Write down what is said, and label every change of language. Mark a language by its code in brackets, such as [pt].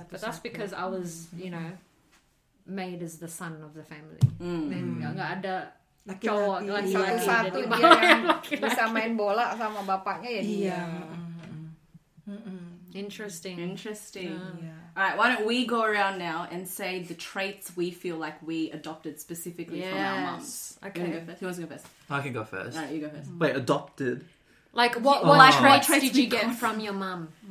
[en] But that's because I was, you know, made as the son of the family. [id] Enggak ada laki-laki. Cowok, laki-laki. Satu dia yang laki-laki bisa main bola sama bapaknya ya dia. [en] Interesting. Yeah. All right, why don't we go around now and say the traits we feel like we adopted specifically from our moms. Okay. Who wants to go first? I can go first. All right, you go first. Wait, adopted? Like, what traits did you get from your mom?